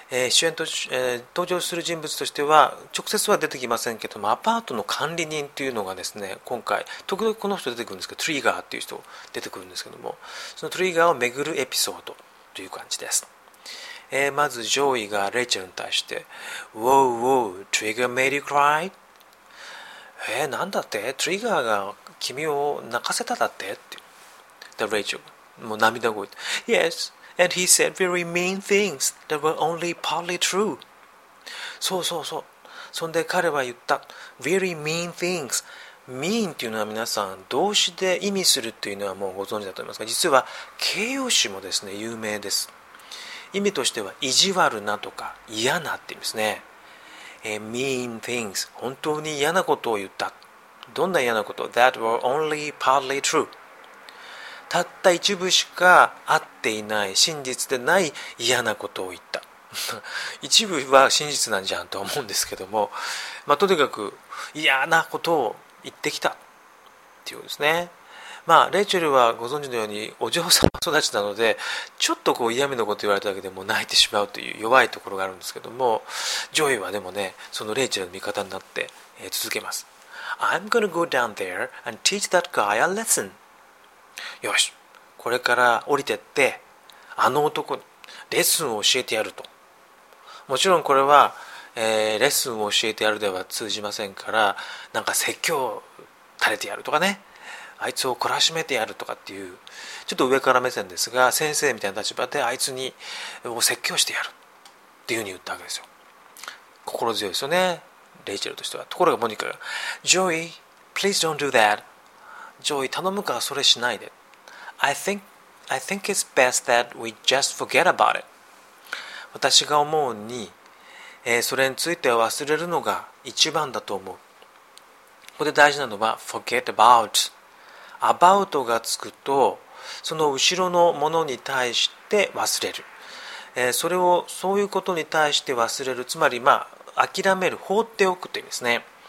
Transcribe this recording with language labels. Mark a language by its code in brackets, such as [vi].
[ja] 主演と、登場する人物としては直接は出てきませんけども、アパートの管理人というのがですね、今回特にこの人出てくるんですけど、トリガーっていう人出てくるんですけども、そのトリガーをめぐるエピソードという感じです。まずジョイがレイチェルに対して、 [en] Whoa, whoa, Trigger made you cry? [ja] なんだって、トリガーが君を泣かせただって、って。レイチェル、もう涙声。 [en] Yes, and he said very mean things that were only partly true. [ja] そうそうそう。そんで彼は言った。 [en] Very mean things. [ja] Mean っていうのは皆さん、動詞で意味するっていうのはもうご存知だと思いますが、実は形容詞もですね、有名です。意味としては、意地悪なとか嫌なって言うんですね。 [en] Mean things. [ja] 本当に嫌なことを言った。どんな嫌なこと? [en] That were only partly true. [ja] たった一部しか合っていない、真実でない嫌なことを言った。一部は真実なんじゃんと思うんですけども、まあ、とにかく嫌なことを言ってきた。っていうことですね。まあ、レイチェルはご存知のようにお嬢様育ちなので、ちょっとこう嫌味のこと言われただけでも泣いてしまうという弱いところがあるんですけども、ジョイはでもね、そのレイチェルの味方になって、続けます。 [en] I'm gonna go down there and teach that guy a lesson. [ja] よし、これから降りてってあの男にレッスンを教えてやると。もちろんこれは、レッスンを教えてやるでは通じませんから、なんか説教垂れてやるとかね、あいつを懲らしめてやるとかっていう、ちょっと上から目線ですが、先生みたいな立場であいつにを説教してやるっていうふうに言ったわけですよ。心強いですよね、レイチェルとしては。ところがモニカが、ジョイ [en] please don't do that、 [ja] ジョイ頼むからそれしないで。 [en] I think it's best that we just forget about it。 [ja] 私が思うに、それについては忘れるのが一番だと思う。ここで大事なのは forget aboutAbout がつくと、その後ろのものに対して忘れる、それをそういうことに対して忘れる、つまりまあ諦める、放っておくというんですね。